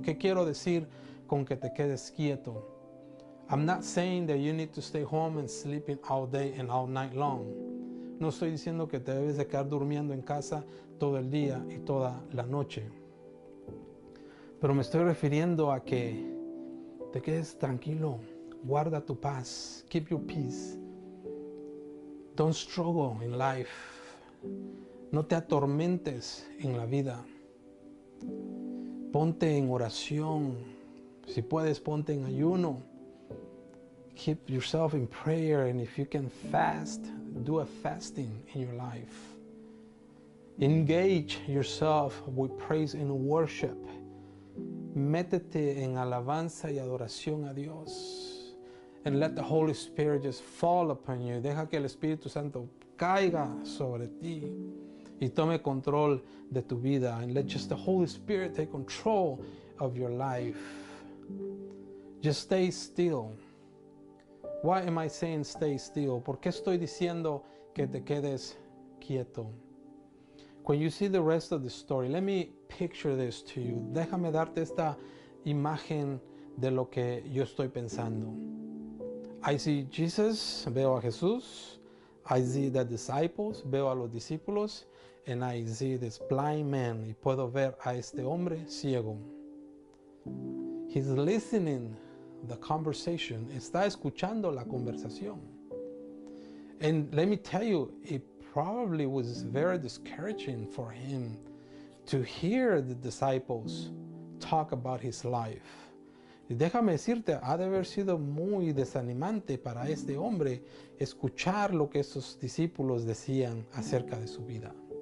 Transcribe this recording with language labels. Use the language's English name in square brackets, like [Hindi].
[Spanish] ¿Qué quiero decir con que te quedes quieto? [English] I'm not saying that you need to stay home and sleeping all day and all night long. [Spanish] No estoy diciendo que te debes de quedar durmiendo en casa todo el día y toda la noche. Pero me estoy refiriendo a que te quedes tranquilo. Guarda tu paz. [English] Keep your peace. Don't struggle in life. [Spanish] No te atormentes en la vida. Ponte en oración. Si puedes, ponte en ayuno. [English] Keep yourself in prayer. And if you can fast, do a fasting in your life. Engage yourself with praise and worship. [Spanish] Métete en alabanza y adoración a Dios. [English] And let the Holy Spirit just fall upon you. [Spanish] Deja que el Espíritu Santo caiga sobre ti y tome control de tu vida. [English] And let just the Holy Spirit take control of your life. Just stay still. Why am I saying stay still? [Spanish] ¿Por qué estoy diciendo que te quedes quieto? [English] When you see the rest of the story, let me picture this to you. [Spanish] Déjame darte esta imagen de lo que yo estoy pensando. [English] I see Jesus, [Spanish] veo a Jesús. [English] I see the disciples, [Spanish] veo a los discípulos. [English] And I see this blind man, [Spanish] y puedo ver a este hombre ciego. [English] He's listening to the conversation. [Spanish] Está escuchando la conversación. [English] And let me tell you, it probably was very discouraging for him to hear the disciples talk about his life. [Spanish] Déjame decirte, ha de haber sido muy desanimante para este hombre escuchar lo que esos discípulos decían acerca de su vida.